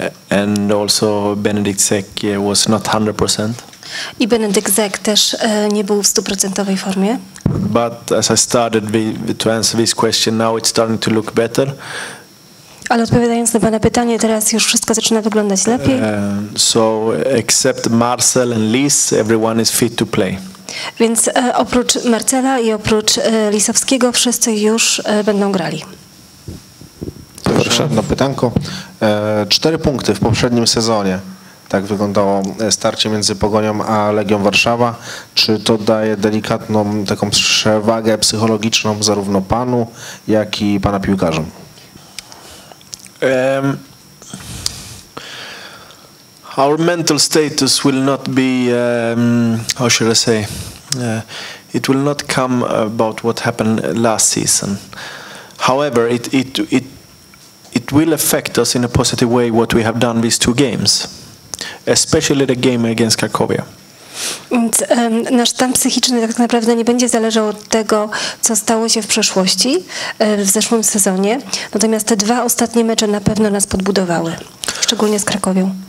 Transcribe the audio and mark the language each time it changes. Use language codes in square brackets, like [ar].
[en] And also Benedikt Zek was not 100%. [pl] I Benedikt Zek też nie był w 100% formie. [en] But as I started to answer this question, now it's starting to look better. [pl] Ale odpowiadając na pana pytanie, teraz już wszystko zaczyna wyglądać lepiej. [en] So except Marcel and Lis, everyone is fit to play. [pl] Więc oprócz Marcela i oprócz Lisowskiego wszyscy już będą grali. Proszę na pytanko. Cztery punkty w poprzednim sezonie. Tak wyglądało starcie między Pogonią a Legią Warszawa. Czy to daje delikatną taką przewagę psychologiczną zarówno panu, jak i pana piłkarzom? [en] Our mental status will not be, how should I say, it will not come about what happened last season. However, it will affect us in a positive way what we have done these two games, especially the game against Cracovia. [pl] Więc nasz stan psychiczny tak naprawdę nie będzie zależał od tego, co stało się w przeszłości, w zeszłym sezonie. Natomiast te dwa ostatnie mecze na pewno nas podbudowały, szczególnie z Cracovią.